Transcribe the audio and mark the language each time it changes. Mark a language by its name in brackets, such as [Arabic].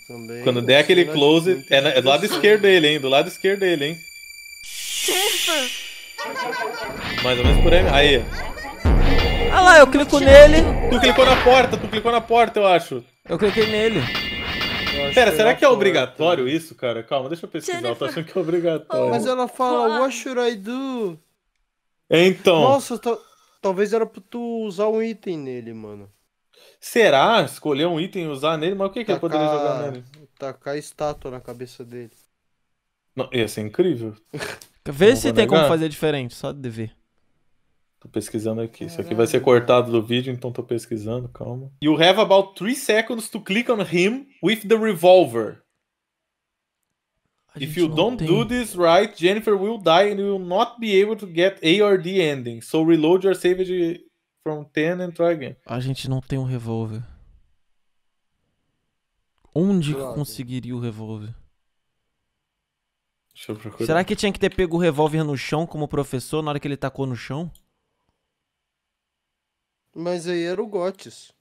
[Portuguese] Também quando der aquele close, é do lado esquerdo dele, hein? Do lado esquerdo dele, hein? Jennifer! Mais ou menos por aí. Aí. Ah lá, eu clico nele. Tu clicou na porta, eu acho. Eu cliquei nele. Pera, será que é obrigatório porta. Isso, cara? Calma, deixa eu pesquisar. Jennifer. Eu tô achando que é obrigatório. Mas ela fala, [English] what should I do? [Portuguese] Então. Nossa, talvez era pra tu usar um item nele, mano. Será? Escolher um item e usar nele? Mas o que ele poderia jogar nele? Tacar estátua na cabeça dele. Não, ia ser incrível. Vê não se tem negar. Como fazer diferente, só de ver. Tô pesquisando aqui. Caralho. Isso aqui vai ser cortado do vídeo, então tô pesquisando, calma. [English] You have about 3 seconds to click on him with the revolver. If you don't do this right, Jennifer will die and you will not be able to get A or D ending. So reload your save from 10 and try again. [Portuguese] A gente não tem um revólver. Onde que conseguiria o revólver? Deixa eu procurar. Será que tinha que ter pego o revólver no chão como professor na hora que ele tacou no chão? Mas aí era o Gotts.